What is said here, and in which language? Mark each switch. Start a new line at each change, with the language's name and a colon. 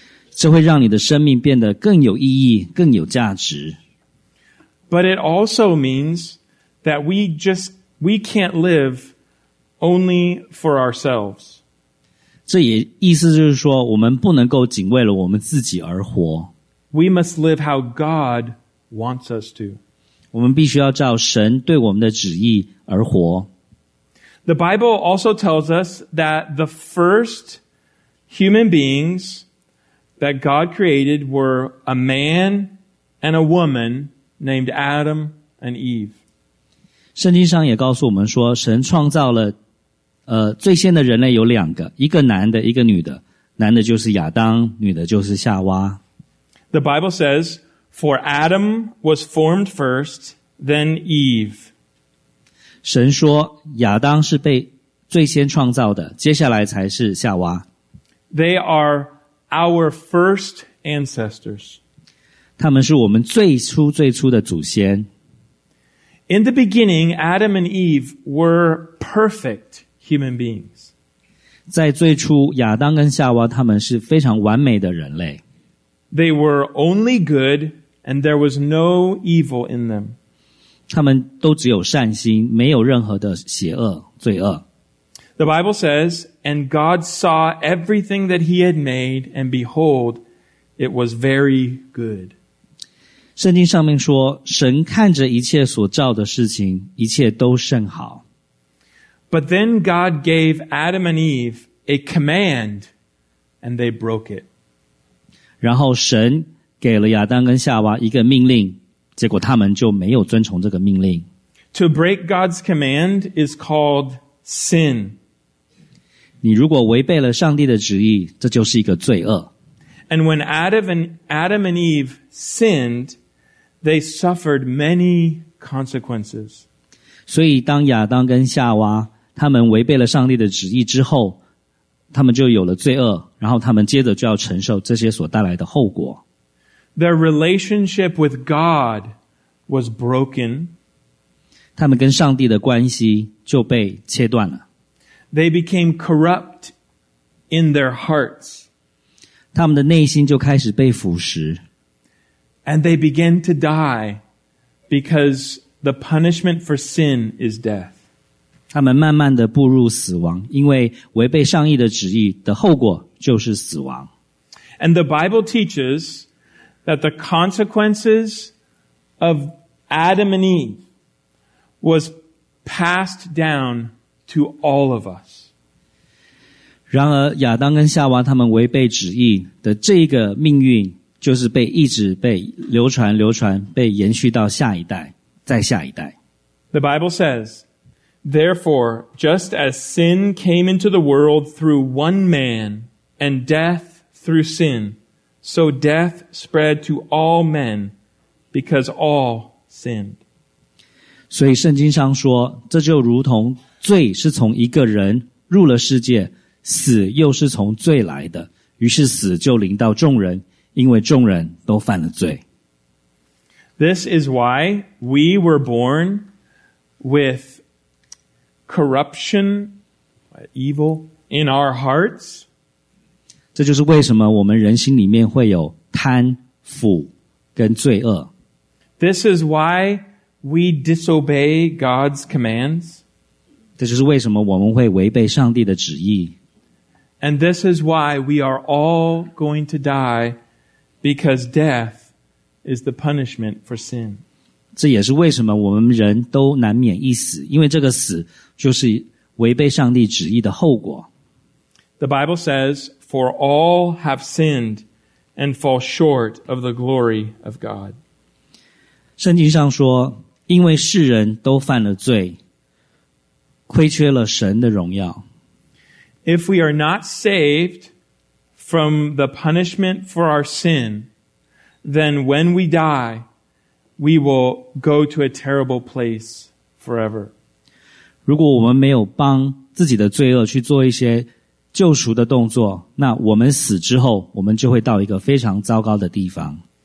Chinese: 这会让你的生命变得更有意义，更有价值。
English: But it also means that we can't live only for ourselves.
Chinese: 这也意思就是说，我们不能够仅为了我们自己而活。
English: We must live how God wants us to.
Chinese: 我们必须要照神对我们的旨意而活。
English: The Bible also tells us that the first human beings that God created were a man and a woman named Adam and Eve.
Chinese: 圣经上也告诉我们说，神创造了最先的人类有两个，一个男的，一个女的。男的就是亚当，女的就是夏娃。
English: The Bible says, "For Adam was formed first, then Eve."
Chinese: 神说，亚当是被最先创造的，接下来才是夏娃。
English: They are our first ancestors.
Chinese: 他们是我们最初最初的祖先。
English: In the beginning, Adam and Eve were perfect human beings.
Chinese: 在最初，亚当跟夏娃他们是非常完美的人类。
English: They were only good, and there was no evil in them.
Chinese: 他们都只有善心，没有任何的邪恶、罪恶。
English: The Bible says, and God saw everything that he had made, and behold, it was very good.
Chinese: 圣经上面说，神看着一切所造的事情，一切都甚好。
English: But then God gave Adam and Eve a command, and they broke it.
Chinese: 然后神给了亚当跟夏娃一个命令，结果他们就没有遵从这个命令。
English: To break God's command is called sin.
Chinese: 你如果违背了上帝的旨意，这就是一个罪恶。
English: And when Adam and Eve sinned, they suffered many consequences.
Chinese: 所以当亚当跟夏娃他们违背了上帝的旨意之后，他们就有了罪恶，然后他们接着就要承受这些所带来的后果。
English: Their relationship with God was broken.
Chinese: 他们跟上帝的关系就被切断了。
English: They became corrupt in their hearts.
Chinese: 他们的内心就开始被腐蚀。
English: And they began to die because the punishment for sin is death.
Chinese: 他们慢慢地步入死亡，因为违背上帝的旨意的后果就是死亡。
English: And the Bible teaches that the consequences of Adam and Eve was passed down to all of us.
Chinese: 然而亚当跟夏娃他们违背旨意的这个命运，就是被一直被流传被延续到下一代，再下一代。
English: The Bible says,Therefore, just as sin came into the world through one man, and death through sin, so death spread to all men, because all sinned.
Chinese: 所以圣经上说，这就如同罪是从一个人入了世界，死又是从罪来的，于是死就临到众人，因为众人都犯了罪。
English: This is why we were born withcorruption, evil in our hearts.
Chinese: 这就是为什么我们人心里面会有贪腐跟罪恶。
English: This is why we disobey God's commands.
Chinese: 这就是为什么我们会违背上帝的旨意。
English: And this is why we are all going to die, because death is the punishment for sin.
Chinese: 这也是为什么我们人都难免一死，因为这个死就是违背上帝旨意的后果。
English: The Bible says, "For all have sinned and fall short of the glory of God."
Chinese: 圣经上说，因为世人都犯了罪，亏缺了神的荣耀。
English: If we are not saved from the punishment for our sin, then when we die,We will go to a terrible place forever.
Chinese: 如果我们没有帮自己的罪恶去做一些救赎的动作，那我们死之后，我们就会到一个非常糟糕的地方。